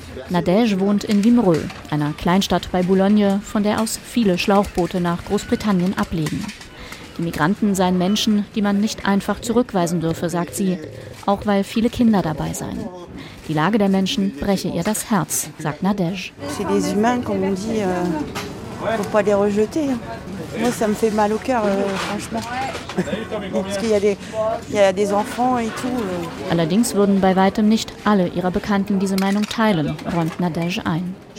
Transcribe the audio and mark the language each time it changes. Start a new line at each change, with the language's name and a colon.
German: Nadège wohnt in Wimereux, einer Kleinstadt bei Boulogne, von der aus viele Schlauchboote nach Großbritannien ablegen. Die Migranten seien Menschen, die man nicht einfach zurückweisen dürfe, sagt sie, auch weil viele Kinder dabei seien. Die Lage der Menschen breche ihr das Herz, sagt Nadège.
French: C'est des humains, comme on dit, faut pas les rejeter. Moi, ça me fait mal au cœur, franchement. Parce qu'il y a des enfants et tout.
German: Allerdings würden bei weitem nicht alle ihrer Bekannten diese Meinung teilen, räumt Nadège ein.